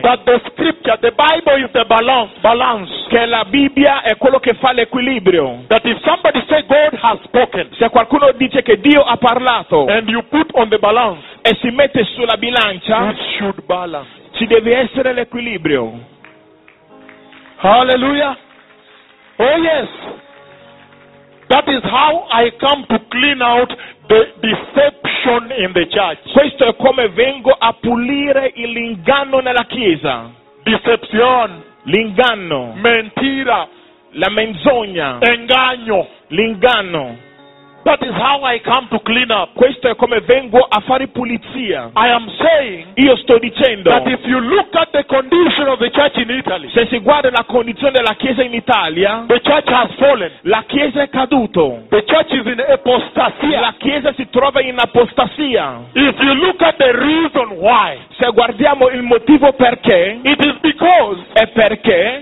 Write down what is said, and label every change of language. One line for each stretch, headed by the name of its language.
English: that the scripture, the Bible is the balance.
Italian: Che la Bibbia è quello che fa l'equilibrio.
English: That if somebody say God has spoken,
Italian: se qualcuno dice che Dio ha parlato,
English: and you put on the balance,
Italian: e si mette sulla bilancia,
English: it should balance.
Italian: Ci deve essere l'equilibrio.
English: Hallelujah. Oh yes. That is how I come to clean out the deception in the church.
Italian: Questo è come vengo a pulire l'inganno nella chiesa.
English: Deception.
Italian: L'inganno.
Spanish: Mentira.
Italian: La menzogna.
Spanish: Engaño.
Italian: L'inganno.
English: That is how I come to clean up.
Italian: Questo è come vengo a fare pulizia.
English: I am saying.
Italian: Io sto dicendo.
English: That if you look at the condition of the church in Italy.
Italian: Se si guarda la condizione della chiesa in Italia.
English: The church has fallen.
Italian: La chiesa è caduto.
English: The church is in apostasia.
Italian: La chiesa si trova in apostasia.
English: If you look at the reason why.
Italian: Se guardiamo il motivo perché.
English: It is because.
Italian: È perché.